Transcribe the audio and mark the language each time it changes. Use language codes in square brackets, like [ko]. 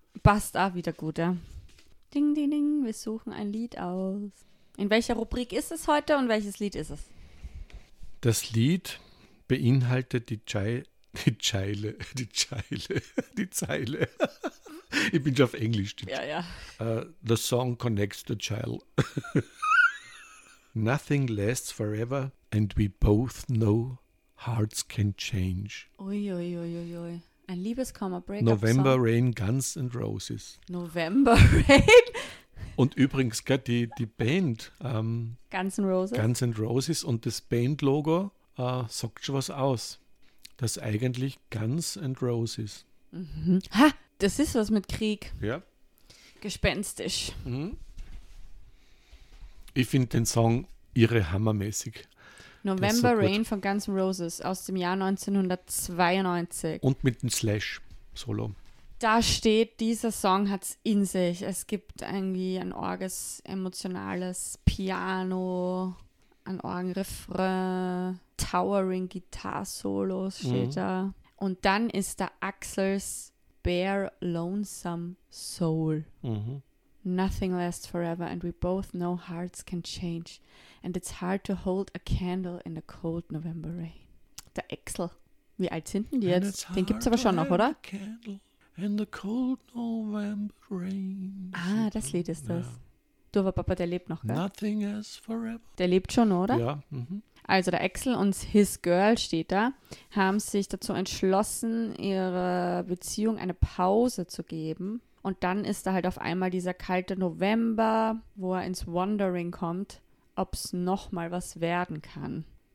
[de] Passt auch wieder gut, ja. Ding, ding, ding, wir suchen ein Lied aus. In welcher Rubrik ist es heute und welches Lied ist es? Das Lied beinhaltet die Zeile. Ich bin schon auf Englisch. Ja, ja. [en] The song connects the child. Nothing lasts forever. And we both know hearts can change. [de] Ui, ui, ui, ui, ui. Ein Liebeskummer-Break-up-Song. November Rain, Guns and Roses. November Rain? Und übrigens, die Band. Guns and Roses. Guns and Roses und das Band-Logo sagt schon was aus. Das ist eigentlich Guns and Roses. Mhm. Ha, das ist was mit Krieg. Ja. Gespenstisch. Mhm. Ich finde den Song irre hammermäßig. November Rain von Guns N' Roses aus dem Jahr 1992. Und mit dem Slash-Solo. Da steht, dieser Song hat es in sich. Es gibt irgendwie ein orges, emotionales Piano, ein Orgenrefrain, Towering-Guitar-Solos steht da. Und dann ist da Axels [en] Bare Lonesome Soul. Nothing lasts forever and we both know hearts can change. And it's hard to hold a candle in the cold November rain. [de] Der Axel. Wie alt sind denn die jetzt? Den gibt's aber schon noch, oder? [en] A candle in the cold November rain. [de] Ah, das Lied ist das. Ja. Du, aber Papa, der lebt noch, gell? [en] Nothing is forever. [de] Der lebt schon, oder? Ja. Also der Axel und [en] his girl [de] steht da, haben sich dazu entschlossen, ihre Beziehung eine Pause zu geben. Und dann ist da halt auf einmal dieser kalte November, wo er ins Wandering kommt, ob es nochmal was werden kann.